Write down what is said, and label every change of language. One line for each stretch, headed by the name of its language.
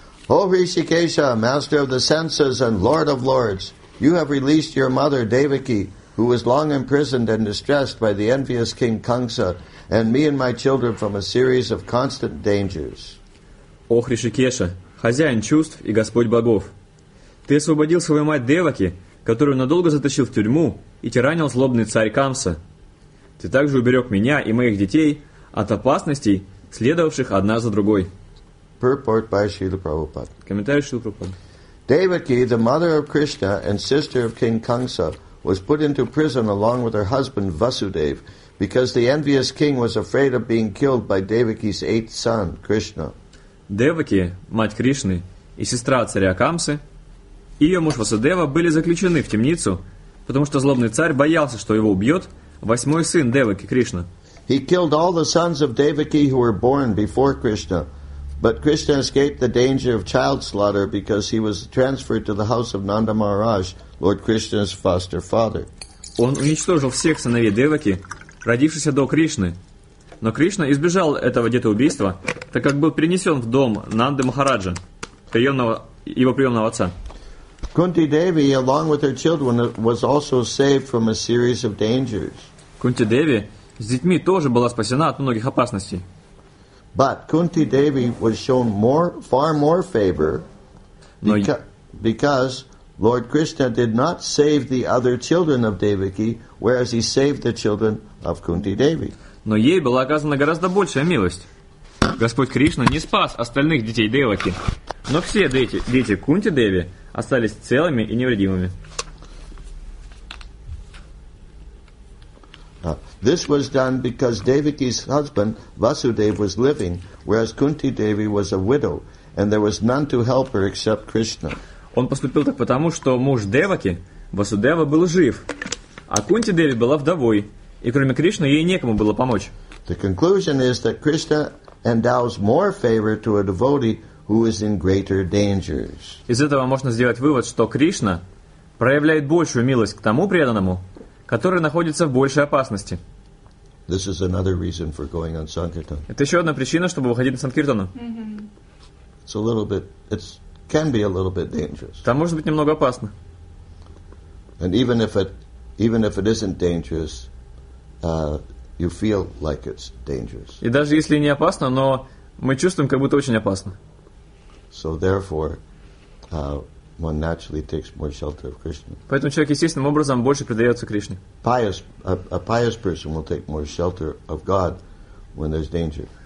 English: O Hrishikesha, master of the senses and lord of lords, you have released your mother Devaki, who was long imprisoned and distressed by the envious King Kamsa, and me and my children from a series of constant dangers.
Russian: О Хришикеша, хозяин чувств и Господь богов, ты освободил свою мать Деваки, которую надолго затащил в тюрьму и тиранил злобный царь Камса. Ты также уберег меня и моих детей от опасностей, следовавших одна за другой.
English: Purport by Srila Prabhupada.
Russian: Комментарий Шрилы Прабхупады.
English: Devaki, the mother of Krishna and sister of King Kamsa, was put into prison along with her husband Vasudev because the envious king was afraid of being killed by Devaki's eighth son, Krishna.
Russian: Деваки, мать Кришны, и сестра царя Камсы, и ее муж Васудева были заключены в темницу, потому что злобный царь боялся, что его убьет восьмой сын Деваки, Кришна.
English: He killed all the sons of Devaki who were born before Krishna, but Krishna escaped the danger of child slaughter because he was transferred to the house of Nanda Maharaj, Lord Krishna's foster father.
Russian: Он уничтожил всех сыновей Деваки, родившихся до Кришны. Но Кришна избежал этого детоубийства, так как был перенесен в дом Нанды Махараджа, его приемного отца.
English: Кунти Деви, along with her children, was also saved from a series of dangers.
Russian: Кунти Деви с детьми тоже была спасена от многих опасностей.
English: But Kunti Devi was shown far more favor because Lord Krishna did not save the other children of Devaki, whereas he saved the children of Kunti Devi.
Russian: Но ей была оказана гораздо большая милость. Господь Кришна не спас остальных детей Деваки, но все дети Кунти Деви остались целыми и невредимыми.
English: This was done because Devaki's husband Vasudev was living, whereas Kunti Devi was a widow, and there was none to help her except Krishna.
Russian: Он поступил так потому, что муж Деваки Васудева был жив, а Кунти Деви была вдовой, и кроме Кришны ей некому было помочь.
English: The conclusion is that Krishna endows more favor to a devotee who is in greater dangers.
Russian: Из этого можно сделать вывод, что Кришна проявляет большую милость к тому преданному, который находится в большей опасности.
English: This is another reason for going on Sankirtan.
Russian: Это еще одна причина, чтобы выходить на Санкиртану.
English: It's a little bit, can be a little bit dangerous.
Russian: Там может быть немного опасно.
English: And even if it isn't dangerous, you feel like it's dangerous.
Russian: И даже если не опасно, но мы чувствуем, как будто очень опасно.
English: So therefore, one naturally takes more shelter of Krishna.
Russian: Поэтому человек естественным образом больше предается Кришне.
English: A pious person will take more shelter of God when there's danger.